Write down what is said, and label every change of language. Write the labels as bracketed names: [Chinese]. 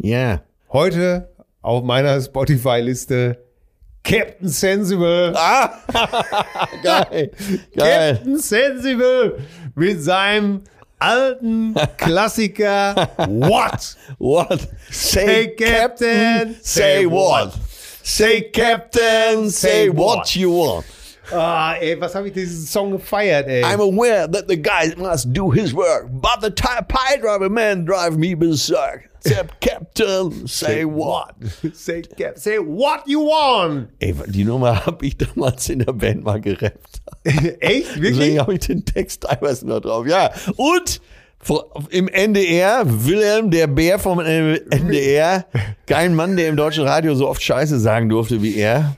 [German] Ja. Heute auf meiner Spotify-Liste Captain Sensible. Ah, geil. Geil. Captain Sensible mit seinem alten Klassiker. [English] What? What? Say Captain, say what? Say Captain, say what you want. [German] Ah, ey, was habe ich diesen Song gefeiert, ey. [English] I'm aware that the guy must do his work, but the pie driver man drive me berserk. Except Captain, say what? Say Captain, say what you want. [German] Ey, die Nummer habe ich damals in der Band mal gerappt. Echt? Wirklich? Deswegen habe ich den Text teilweise noch drauf. Ja, und im NDR, Wilhelm, der Bär vom NDR, kein Mann, der im deutschen Radio so oft Scheiße sagen durfte wie er.